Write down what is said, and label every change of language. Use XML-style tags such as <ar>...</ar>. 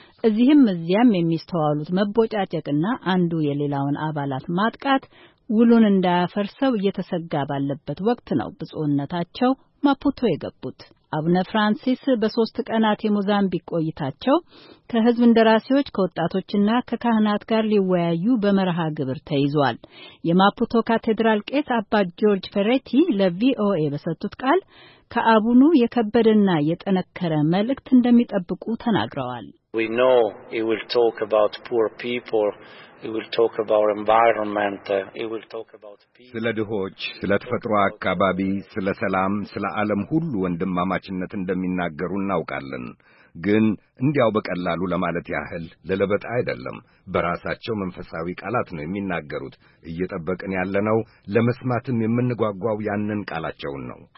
<am>እዚህም እዚያም የሚስተዋሉት መቦጫጨቅና አንዱ የሌላውን አባላት ማጥቃት ውሉን እንዳያፈርሰው እየተሰጋ ባለበት ወቅት ነው ብፁዕነታቸው ማፑቶ የገቡት። አቡነ ፍራንሲስ በሶስት ቀናት የሞዛምቢክ ቆይታቸው ከህዝብ እንደራሴዎች ከወጣቶችና ከካህናት ጋር ሊወያዩ በመርሃ ግብር ተይዟል። የማፑቶ ካቴድራል ቄስ አባ ጆርጅ ፈሬቲ ለቪኦኤ በሰጡት ቃል ከአቡኑ የከበደና የጠነከረ መልእክት እንደሚጠብቁ ተናግረዋል።</am> <en>We know he will talk about poor people. He will talk about environment. He will talk about peace.</en> <am>ስለ ድሆች፣ ስለ ተፈጥሮ አካባቢ፣ ስለ ሰላም፣ ስለ ዓለም ሁሉ ወንድማማችነት እንደሚናገሩ እናውቃለን። ግን እንዲያው በቀላሉ ለማለት ያህል ለለበጣ አይደለም። በራሳቸው መንፈሳዊ ቃላት ነው የሚናገሩት። እየጠበቅን ያለነው ለመስማትም የምንጓጓው ያንን ቃላቸውን ነው።</am>